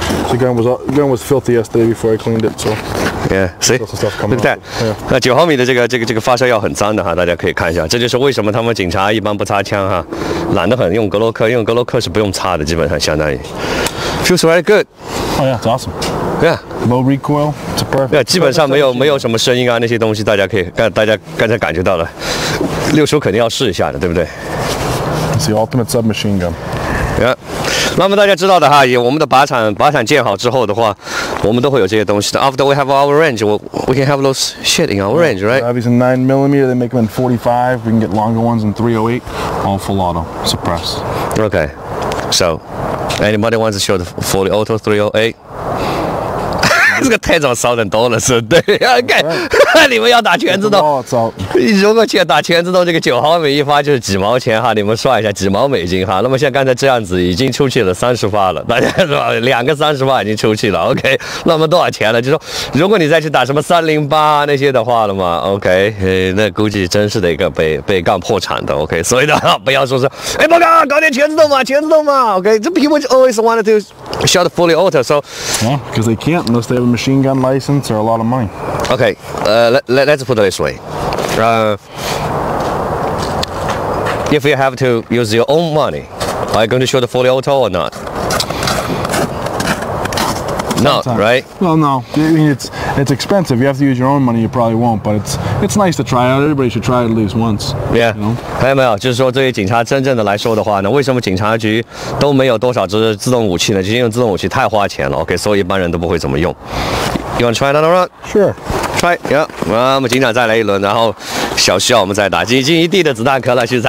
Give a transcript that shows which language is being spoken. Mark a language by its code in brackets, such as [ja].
[en] The gun was filthy yesterday before I cleaned it, so. Yeah, see, look at that. [zh] 那九毫米的这个发射药很脏的哈，大家可以看一下。这就是为什么他们警察一般不擦枪哈，懒得很，用格洛克，用格洛克是不用擦的，基本上相当于。 [en] Feels very good. Oh yeah, it's awesome. Yeah. Low recoil, it's perfect. [zh] Yeah, 基本上没有什么声音啊，那些东西大家刚才感觉到了。六叔肯定要试一下的，对不对 [en] ？It's the ultimate submachine gun. Yeah. [zh] 那么大家知道的哈，我们的靶场建好之后的话，我们都会有这些东西的。 [en] After we have our range, we can have those shit in our range, right? Obviously, 9mm, they make them in 45. We can get longer ones in 308, all full auto, suppressed. Okay, so anybody wants to show the fully auto 308? [zh] 这个太早烧人刀了，是对。Okay, 你们要打全自动，如果去打全自动，这个九毫米一发就是几毛钱哈，你们算一下几毛美金哈。那么像刚才这样子，已经出去了30发了，大家是吧？两个30发已经出去了。OK， 那么多少钱了？就说如果你再去打什么308那些的话了嘛 ，OK，那估计真是得一个被干破产的。 OK， 所以呢，不要说是，哎，报告，搞点全自动嘛，全自动嘛。 [en] OK， 这 people always wanted to shot fully auto， so yeah， because they can't unless they have a machine gun license or a lot of money。 Okay, let's put it this way. If you have to use your own money, are you going to shoot a fully auto or not? No, right? Well, no. I mean, it's expensive. You have to use your own money, you probably won't, but it's nice to try out. Everybody should try it at least once. Yeah. You know? [zh] 还有没有？就是说，对于警察真正的来说的话呢，为什么警察局都没有多少自动武器呢？就因为自动武器太花钱了。OK， 所以一般人都不会怎么用。 [en] You want to try another round? Sure. Try. Yeah. [zh] 那么警长再来一轮，然后小徐我们再打，已经一地的子弹壳了，徐仔。